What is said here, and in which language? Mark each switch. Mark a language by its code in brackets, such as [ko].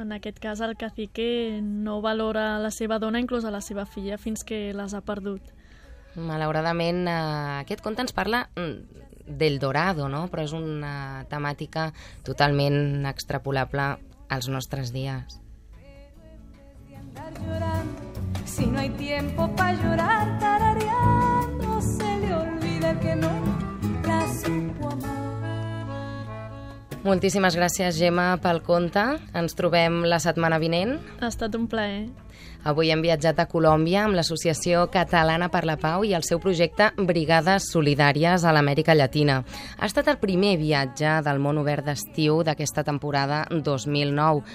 [ca] En aquest cas, el cacique no valora la seva dona, inclús a la seva filla, fins que les ha perdut. Malauradament, aquest conte ens parla del dorado, no? Però és una temàtica totalment extrapolable als nostres dies. [es] Si no hay tiempo pa llorar, tarareando, se le olvida que no la supo amar. [ca] Moltíssimes gràcies, Gemma, pel conte. Ens trobem la setmana vinent. Ha estat un plaer. Avui hem viatjat a Colòmbia amb l'Associació Catalana per la Pau i el seu projecte Brigades Solidàries a l'Amèrica Llatina. Ha estat el primer viatge del món obert d'estiu d'aquesta temporada 2009.